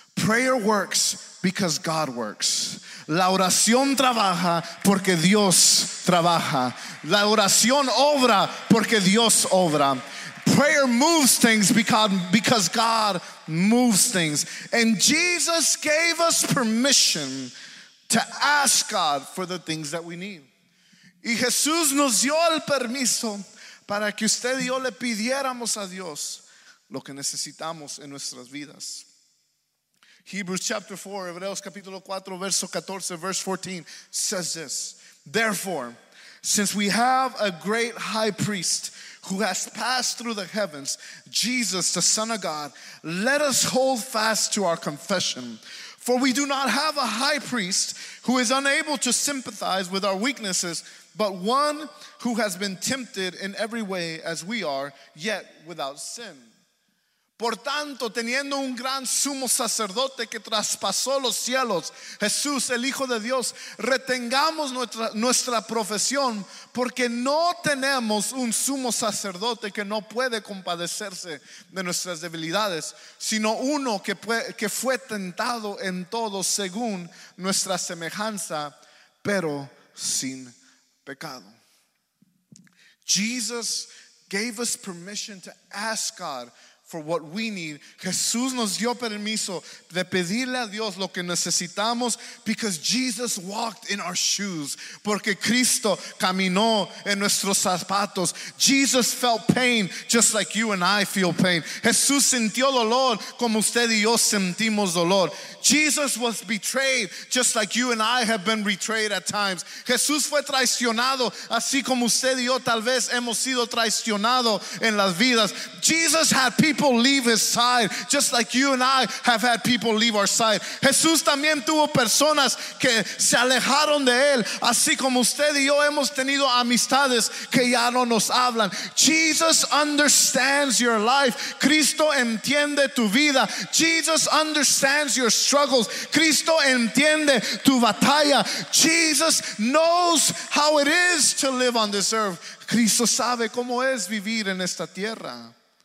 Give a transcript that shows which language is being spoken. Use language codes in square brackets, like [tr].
[en] Prayer works because God works. [es] La oración trabaja porque Dios trabaja. La oración obra porque Dios obra. [en] Prayer moves things because God moves things. And Jesus gave us permission to ask God for the things that we need. [es] Y Jesús nos dio el permiso para que usted y yo le pidiéramos a Dios lo que necesitamos en nuestras vidas. [en] Hebrews chapter 4, [es] Hebreos capítulo 4, verso 14, [en] verse 14 says this. Therefore, since we have a great high priest who has passed through the heavens, Jesus, the Son of God, let us hold fast to our confession. For we do not have a high priest who is unable to sympathize with our weaknesses, but one who has been tempted in every way as we are, yet without sin. [es] Por tanto, teniendo un gran sumo sacerdote que traspasó los cielos, Jesús, el Hijo de Dios, retengamos nuestra profesión, porque no tenemos un sumo sacerdote que no puede compadecerse de nuestras debilidades, sino uno que fue tentado en todo según nuestra semejanza, pero sin pecado. [en] Jesus gave us permission to ask God for what we need. [es] Jesús nos dio permiso de pedirle a Dios lo que necesitamos [en] because Jesus walked in our shoes. [es] Porque Cristo caminó en nuestros zapatos. [en] Jesus felt pain just like you and I feel pain. [es] Jesús sintió dolor como usted y yo sentimos dolor. [en] Jesus was betrayed just like you and I have been betrayed at times. [es] Jesús fue traicionado así como usted y yo tal vez hemos sido traicionado en las vidas. [en] Jesus had people leave his side just like you and I have had people leave our side. [es] Jesús también tuvo personas que se alejaron de él así como usted y yo hemos tenido amistades que ya no nos hablan. [en] Jesus understands your life. [es] Cristo entiende tu vida. [en] Jesus understands your struggles. [es] Cristo entiende tu batalla. [en] Jesus knows how it is to live on this earth. [es] Cristo sabe cómo es vivir en esta tierra.